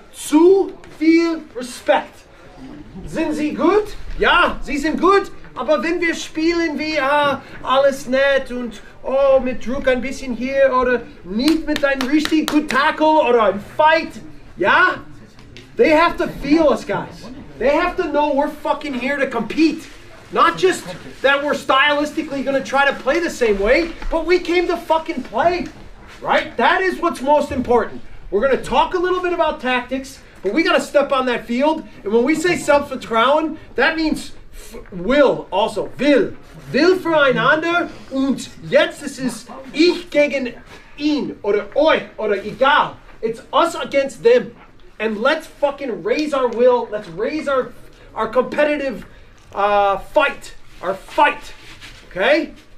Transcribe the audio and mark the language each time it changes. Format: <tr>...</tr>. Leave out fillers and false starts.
<de>Zu viel Respekt. Sind sie gut? Ja, sie sind gut. Aber wenn wir spielen wie alles nett und oh, mit Druck ein bisschen hier oder nicht mit einem richtig guten Tackle oder einem Fight, ja?</de> <en>They have to feel us, guys. They have to know we're fucking here to compete. Not just that we're stylistically gonna try to play the same way, but we came to fucking play, right? That is what's most important. We're gonna talk a little bit about tactics, but we gotta step on that field. And when we say self-vertrauen, that means will also.</en> <de>Will. Will für einander. Und jetzt ist es ich gegen ihn oder euch oder egal.</de> <en>It's us against them. And let's fucking raise our will. Let's raise our competitive fight. Our fight. Okay?</en>